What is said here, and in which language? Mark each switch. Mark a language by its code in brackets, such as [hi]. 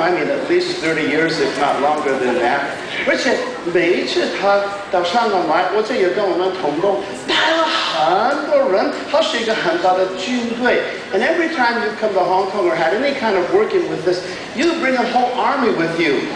[en] I mean, at least 30 years, if not longer than that. [zh] 而且每一次他到香港来，我这也跟我们同工，带了很多人，他是一个很大的军队。 [en] And every time you come to Hong Kong or had any kind of working with this, you bring a whole army with you.